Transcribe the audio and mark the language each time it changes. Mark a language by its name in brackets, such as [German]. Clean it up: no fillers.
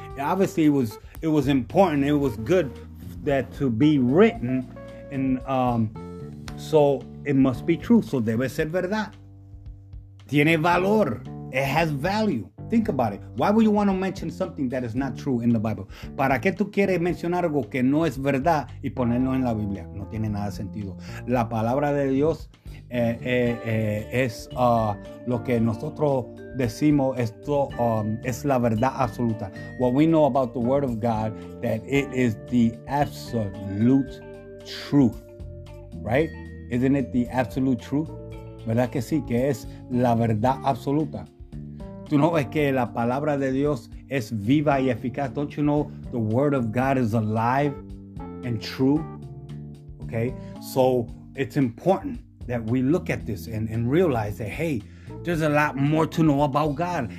[English] Obviously it was important, it was good that to be written, and so it must be true. So [Spanish] debe ser verdad. Tiene valor. [English] It has value. Think about it. Why would you want to mention something that is not true in the Bible? [Spanish] ¿Para qué tú quieres mencionar algo que no es verdad y ponerlo en la Biblia? No tiene nada sentido. La palabra de Dios es lo que nosotros decimos, esto es la verdad absoluta. [English] What we know about the Word of God, that it is the absolute truth, right? Isn't it the absolute truth? [Spanish] ¿Verdad que sí? Que es la verdad absoluta. ¿Tú no ves que la palabra de Dios es viva y eficaz? [English] Don't you know the Word of God is alive and true? Okay, so it's important that we look at this and realize that, hey, there's a lot more to know about God.